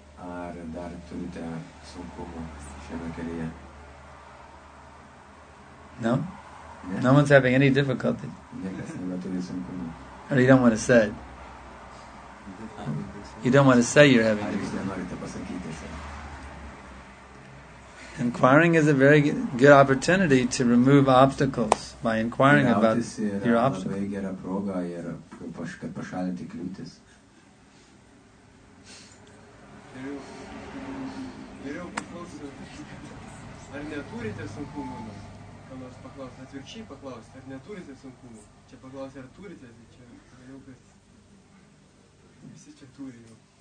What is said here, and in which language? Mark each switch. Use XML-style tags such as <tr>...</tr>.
<lt>Ar dar turite sunkumų šiame kelyje?</lt> <en>No? Yeah. No one's having any difficulty.</en> <lt>Niekas nebeturi sunkumų.</lt> <en>Or you don't want to say it? You don't want to say you're having difficulty.</en> <lt>Ar jūs nenorite pasakyti?</lt> <en>Inquiring is a very good opportunity to remove obstacles by inquiring about your obstacles.</en> <lt>Labai gera proga ir kad pašalinti kliūtis. Geriau paklausti, ar neturite sunkumų, ką nors paklausti, atvirkščiai paklausti, ar neturite sunkumų. Čia paklausti, ar turite, tai čia geriau, kad visi čia turi jau.</lt>